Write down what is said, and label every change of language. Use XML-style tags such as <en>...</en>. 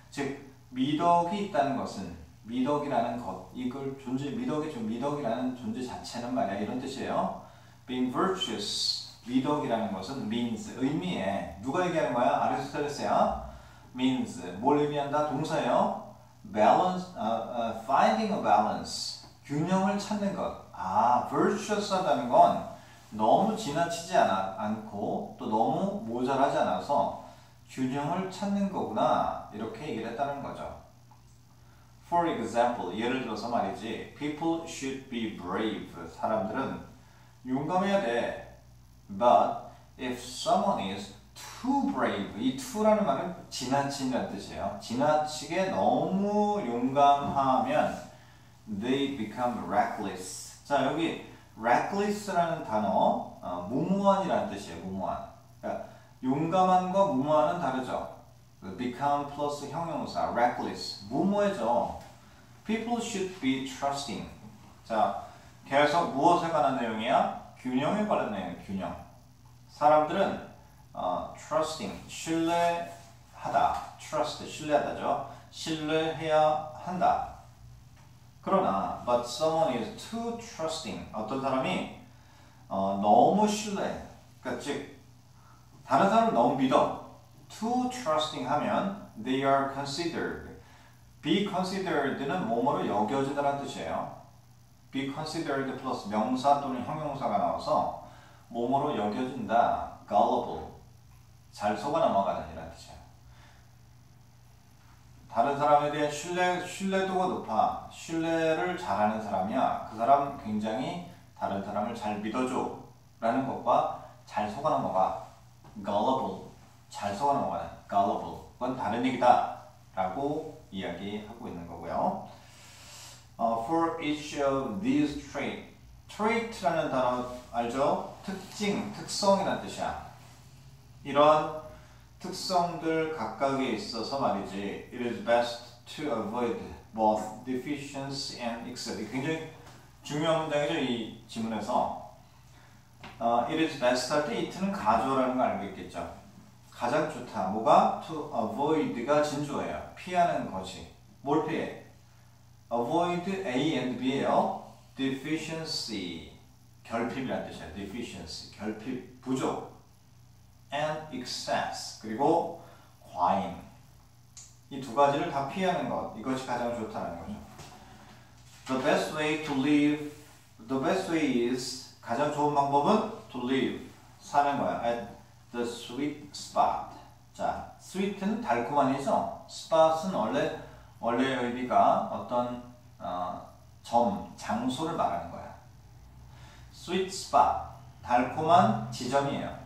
<ko>즉, 미덕이 있다는 것은 미덕이라는 것. 이걸 존재 미덕이 좀 미덕이라는 존재 자체는 말이야. 이런 뜻이에요.</ko> <en>being virtuous.</en> <ko>미덕이라는 것은 means, 의미에 누가 얘기하는 거야? 아리스토텔레스야? means, 뭘 의미한다? 동사예요?</ko> <en>balance, finding a balance,</en> <ko>균형을 찾는 것. 아, virtuous 하다는 건 너무 지나치지 않고 또 너무 모자라지 않아서 균형을 찾는 거구나. 이렇게 얘기를 했다는 거죠.</ko> <en>For example,</en> <ko>예를 들어서 말이지</ko> <en>people should be brave.</en> <ko>사람들은 용감해야 돼.</ko> <en>But if someone is too brave,</en> <ko>이 too라는 말은 지나친다는 뜻이에요. 지나치게 너무 용감하면</ko> <en>they become reckless.</en> <ko>자, 여기 reckless라는 단어, 무모한이라는 뜻이에요. 무모한. 그러니까 용감함과 무모한은 다르죠. become plus 형용사, reckless, 무모해져.</ko> <en>People should be trusting.</en> <ko>자, 계속 무엇에 관한 내용이야? 균형에 관한 내용, 균형. 사람들은 trusting, 신뢰하다, trust, 신뢰하다죠. 신뢰해야 한다. 그러나,</ko> <en>but someone is too trusting.</en> <ko>어떤 사람이 너무 신뢰, 그러니까 즉, 다른 사람을 너무 믿어.</ko> <en>too trusting</en> <ko>하면</ko> <en>they are considered.</en> <ko>be considered는 뭐뭐로 여겨지다라는 뜻이에요. be considered plus 명사 또는 형용사가 나와서 뭐뭐로 여겨진다. gullible. 잘 속아 넘어가는 이란 뜻이야. 다른 사람에 대한 신뢰도가 높아 신뢰를 잘하는 사람이야. 그 사람 굉장히 다른 사람을 잘 믿어줘 라는 것과 잘 속아 넘어가 gullible, 잘 속아 넘어가는 gullible 그건 다른 얘기다 라고 이야기하고 있는 거고요.</ko> <en>For each of these traits</en> <ko>라는 단어 알죠? 특징, 특성이란 뜻이야. 이런 특성들 각각에 있어서 말이지,</ko> <en>it is best to avoid both deficiency and excess.</en> <ko>굉장히 중요한 문장이죠, 이 지문에서. It is best 할 때, it는 가조라는 걸 알고 있겠죠. 가장 좋다. 뭐가? To avoid가 진주어예요. 피하는 거지. 뭘 피해?</ko> <en>Avoid A and B</en> <ko>예요. Deficiency. 결핍이란 뜻이야. Deficiency. 결핍. 부족. and excess 그리고 과잉 이두 가지를 다 피하는 것 이것이 가장 좋다는 거죠.</ko> <en>The best way to live, the best way is</en> <ko>가장 좋은 방법은</ko> <en>to live</en> <ko>사는 거야.</ko> <en>At the sweet spot.</en> <ko>자, sweet는 달콤한 이죠. spot은 원래의 의미가 어떤 점, 장소를 말하는 거야. sweet spot 달콤한 지점이에요.</ko>